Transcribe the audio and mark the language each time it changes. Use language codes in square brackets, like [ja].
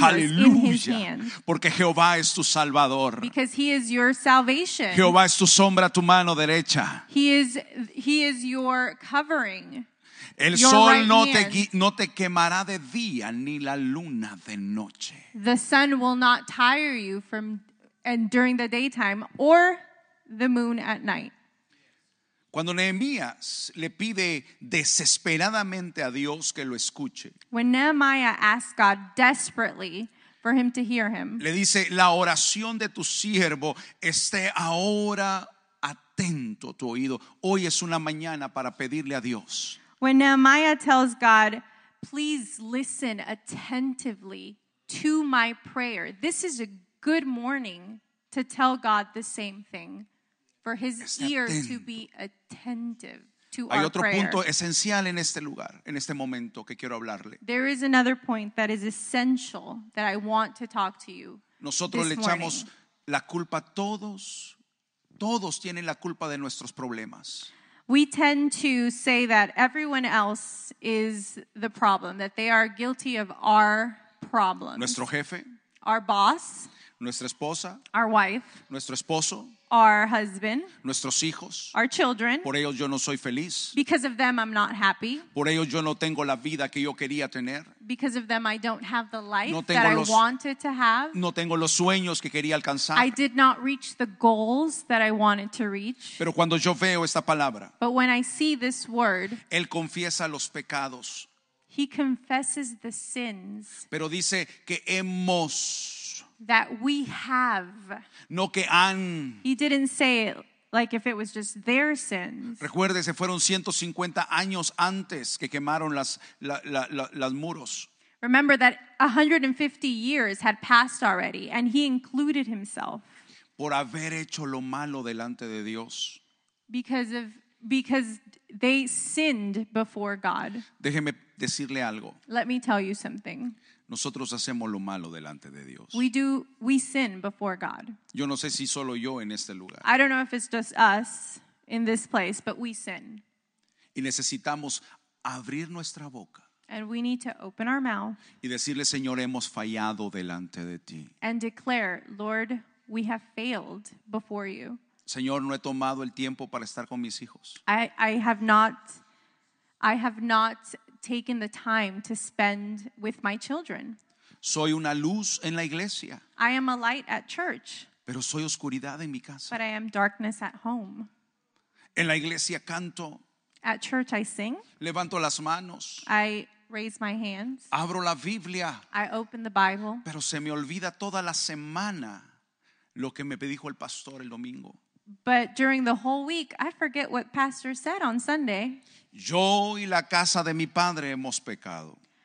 [en] Hallelujah. Us in his hand. [es] Porque Jehová es tu salvador. [en] Because he is your salvation. [es] Jehová es tu sombra, tu mano derecha. [en] He is your covering. [es] El sol no te quemará de día ni la luna de noche. [en] The sun will not tire you during the daytime or the moon at night. [es] Cuando Nehemías le pide desesperadamente a Dios que lo escuche. [en] When Nehemiah asks God desperately for him to hear him. [es] Le dice, la oración de tu siervo esté ahora atento tu oído. Hoy es una mañana para pedirle a Dios. [en] When Nehemiah tells God, please listen attentively to my prayer. This is a good morning to tell God the same thing. For his ear to be attentive to [es] Hay [en] our [es] otro [en] prayer. [es] Punto esencial en este lugar, en este momento que quiero hablarle. [en] There is another point that is essential that I want to talk to you [es] Nosotros [en] this [es] le echamos [en] morning. [es] La culpa a todos. Todos tienen la culpa de nuestros problemas. [en] We tend to say that everyone else is the problem, that they are guilty of our problems. [es] Nuestro jefe. [en] Our boss. [es] nuestra esposa, [en] our wife, [es] nuestro esposo, [en] our husband, [es] nuestros hijos, [en] our children. [es] Por ellos yo no soy feliz. [en] Because of them I'm not happy. [es] Por ellos yo no tengo la vida que yo quería tener. [en] Because of them I don't have the life that I wanted to have. [es] No tengo los sueños que quería alcanzar. [en] I did not reach the goals that I wanted to reach. [es] Pero cuando yo veo esta palabra, [en] but when I see this word, [es] él confiesa los pecados. [en] He confesses the sins. [es] Pero dice que hemos, [en] that we have. [es] No que han. [en] He didn't say it like if it was just their sins. [es] Recuerde, se fueron 150 años antes que quemaron las muros. [en] Remember that 150 years had passed already, and he included himself. [es] Por haber hecho lo malo delante de Dios. [en] Because they sinned before God. [es] Déjeme decirle algo. [en] Let me tell you something. [es] Nosotros hacemos lo malo delante de Dios. [en] We sin before God. [es] Yo no sé si solo yo en este lugar. [en] I don't know if it's just us in this place, but we sin. [es] Y necesitamos abrir nuestra boca. [en] And we need to open our mouth. [es] Y decirle, Señor, hemos fallado delante de ti. [en] And declare, Lord, we have failed before you. [es] Señor, no he tomado el tiempo para estar con mis hijos. [en] I have not taken the time to spend with my children. [es] Soy una luz en la iglesia. [en] I am a light at church. [es] Pero soy oscuridad en mi casa. [en] But I am darkness at home. [es] En la iglesia canto. [en] At church I sing. [es] Levanto las manos. [en] I raise my hands. [es] Abro la Biblia. [en] I open the Bible. [es] Pero se me olvida toda la semana lo que me dijo el pastor el domingo. [en] But during the whole week, I forget what pastor said on Sunday. [es] Yo y la casa de mi padre hemos pecado.